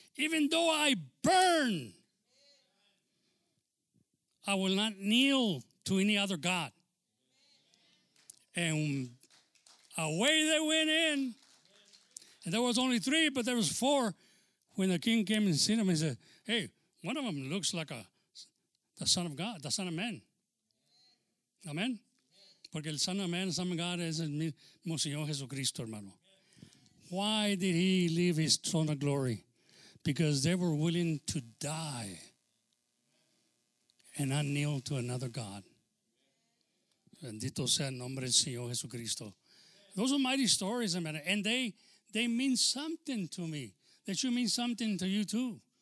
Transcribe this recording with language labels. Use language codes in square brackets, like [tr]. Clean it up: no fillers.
[en] Even though I burn, I will not kneel to any other God. And away they went in. And there was only three, but there was four. When the king came and seen them, he said, hey, one of them looks like the son of God, the son of man. Amen? [es] Porque el [en] son of man, son of God, [es] es el mismo Señor Jesucristo, hermano. [en] Why did he leave his throne of glory? Because they were willing to die and not kneel to another God. [es] Bendito sea el nombre del Señor Jesucristo. [en] Those are mighty stories, amen. And they mean something to me. That should mean something to you too.